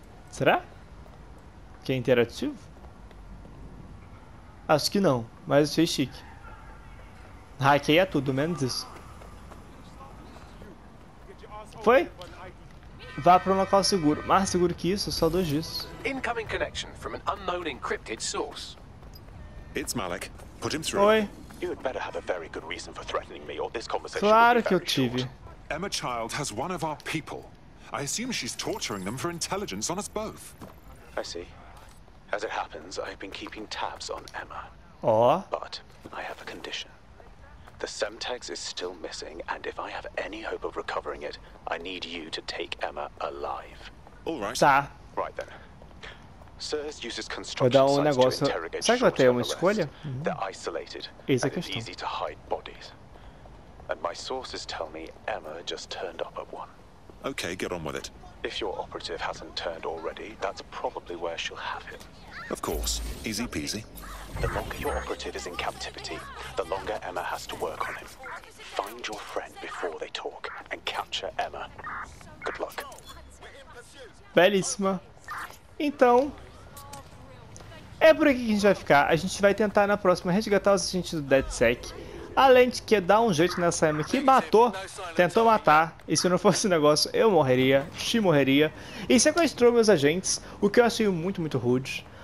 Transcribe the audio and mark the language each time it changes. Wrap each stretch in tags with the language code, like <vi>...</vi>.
<pt>Será? Que é interativo? Acho que não, mas achei chique. Hackeia tudo, menos isso. Foi? Vá para um local seguro. Mais seguro que isso, só dois dias.</pt> <en>Incoming connection from an unknown encrypted source. It's Malik. Put him through.</en> <pt>Oi.</pt> <en>You had better have a very good reason for threatening me, or this conversation.</en> <pt>Claro que eu tive.</pt> <en>Emma Child has one of our people. I assume she's torturing them for intelligence on us both. I see. As it happens, I've been keeping tabs on Emma. Oh. But I have a condition. The Semtex is still missing, and if I have any hope of recovering it, I need you to take Emma alive. All right.</en> <pt>Tá.</pt> <en>Right then. Sirs uses construction sites</en> <pt>negócio...</pt> <en>to interrogate</en> <pt>Será que vai ter uma escolha?</pt> <en>They're isolated,</en> <pt>Isso</pt> <en>and it's easy to hide bodies. And my sources tell me Emma just turned up at one. Okay, get on with it. If your operative hasn't turned already, that's probably where she'll have him. Of course. Easy peasy. The longer your operative is in captivity, the longer Emma has to work on him. Find your friend before they talk and capture Emma. Good luck.</en> <pt>Belíssima. Então, é por aqui que a gente vai ficar. A gente vai tentar na próxima resgatar os agentes do DedSec. Além de que dar um jeito nessa arma que matou, tentou matar. E se não fosse o negócio, eu morreria. She morreria. E sequestrou meus agentes, o que eu achei muito, muito rude.</pt>